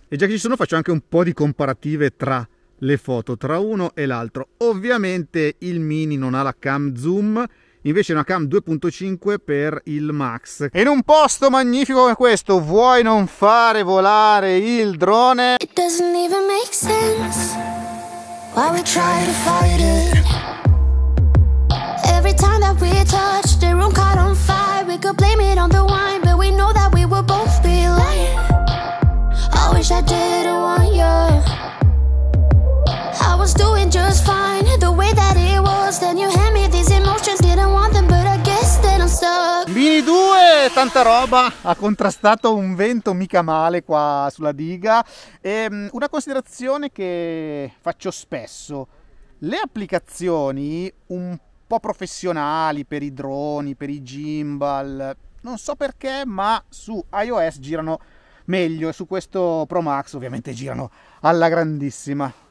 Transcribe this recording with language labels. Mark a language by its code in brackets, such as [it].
[it] E già che ci sono, faccio anche un po' di comparative tra le foto, tra uno e l'altro. Ovviamente il Mini non ha la cam zoom, invece è una cam 2.5 per il Max. E in un posto magnifico come questo, vuoi non fare volare il drone? [en] It doesn't even make sense why we try to fight it. Every time that we touch, the room caught on fire. We could blame it on the wine, but we know that we were both be lying. I wish I didn't want you. I was doing just fine the way that it was. Then you hand me these emotions, didn't want them, but I guess that I'm stuck. [it] Mini 2, tanta roba, ha contrastato un vento mica male qua sulla diga. E una considerazione che faccio spesso: le applicazioni un po' professionali per i droni, per i gimbal, non so perché, ma su iOS girano meglio, su questo Pro Max ovviamente girano alla grandissima.